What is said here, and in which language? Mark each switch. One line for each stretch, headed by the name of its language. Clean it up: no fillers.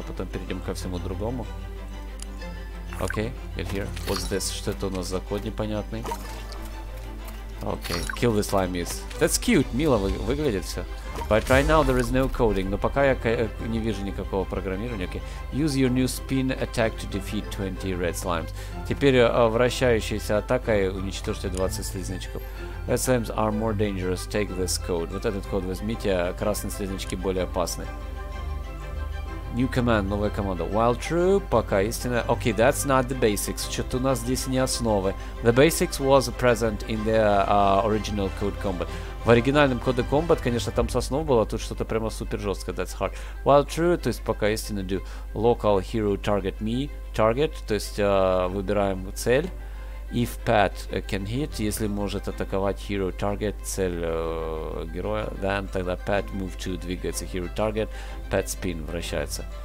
Russian: А потом перейдем ко всему другому.
English: Okay, get here. What's this?
Russian: Что это у нас за код непонятный?
English: Okay, kill the slimes. That's cute.
Russian: Мило выглядит все.
English: But right now there is no coding.
Russian: Но пока я не вижу никакого программирования.
English: Okay. Use your new spin attack to defeat 20 red slimes.
Russian: Теперь вращающаяся атака и уничтожьте 20 слизнячков.
English: Red slimes are more dangerous. Take this code.
Russian: Вот этот код возьмите, а красные слизнячки более опасны.
English: New command.
Russian: Новая команда.
English: While true.
Russian: Пока истина.
English: Okay, that's not the basics.
Russian: Что-то у нас здесь не основы.
English: The basics was present in the original Code Combat.
Russian: В оригинальном Code Combat, конечно, там с основ было, а тут что-то прямо супер жестко.
English: That's hard. While true.
Russian: То есть пока истина.
English: Do local hero target me. Target.
Russian: То есть выбираем цель.
English: If pet can hit,
Russian: если может атаковать
English: hero target,
Russian: цель героя,
English: then
Russian: тогда
English: pet move to,
Russian: двигается
English: hero target, pet spin,
Russian: вращается.